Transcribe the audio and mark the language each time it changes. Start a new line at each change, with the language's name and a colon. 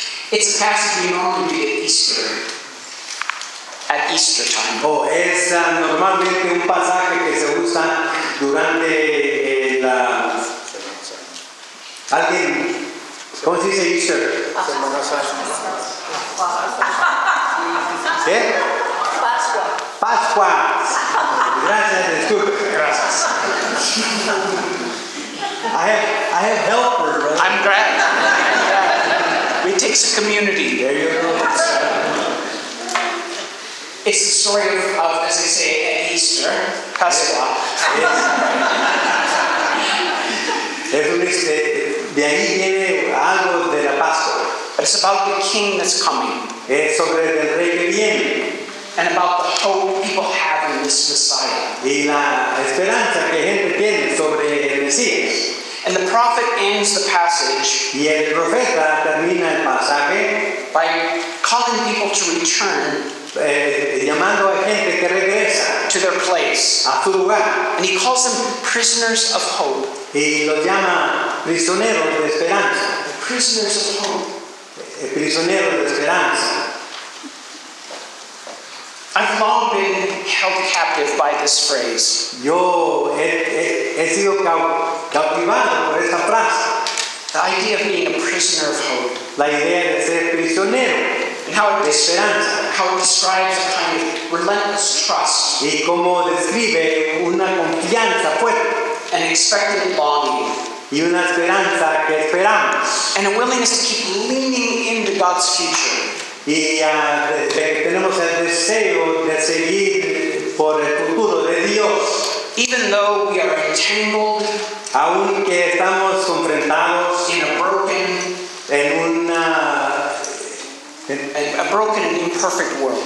English: It's a passage we normally read at Easter. At Easter time.
Spanish: Oh, es normalmente un pasaje que se usa durante la. ¿Alguien? ¿Cómo se dice Easter? Semana Santa. ¿Qué? Pascua. Pascua. Gracias, Jesús. Gracias.
English: I have helpers, brother. I'm glad. It takes a community. There you go. It's the story of, as they say, at Easter.
Spanish: Pascua. Es de ahí viene algo de la Pascua.
English: It's about the king that's coming.
Spanish: Es sobre el rey que viene.
English: And about the hope people have in this Messiah.
Spanish: Y la esperanza que gente tiene sobre el Mesías.
English: And the prophet ends the passage
Spanish: y el profeta termina el pasaje
English: by calling people to return
Spanish: llamando a gente que regresa
English: to their place.
Spanish: A su lugar.
English: And he calls them prisoners of hope.
Spanish: Y los llama prisioneros de esperanza.
English: The prisoners of hope.
Spanish: Prisioneros de esperanza.
English: I've long been held captive by this phrase.
Spanish: Yo he sido cautivado por esta frase.
English: The idea of being a prisoner of hope.
Spanish: La idea de ser prisionero.
English: And how it describes, a kind of relentless trust.
Spanish: Y cómo describe una confianza fuerte.
English: An expectant longing.
Spanish: Y una esperanza que esperamos.
English: And a willingness to keep leaning into God's future.
Spanish: Y tenemos el deseo de seguir por el futuro de Dios.
English: Even though we are entangled,
Spanish: aunque estamos confrontados
English: in a broken,
Spanish: en una
English: en, a broken and imperfect world.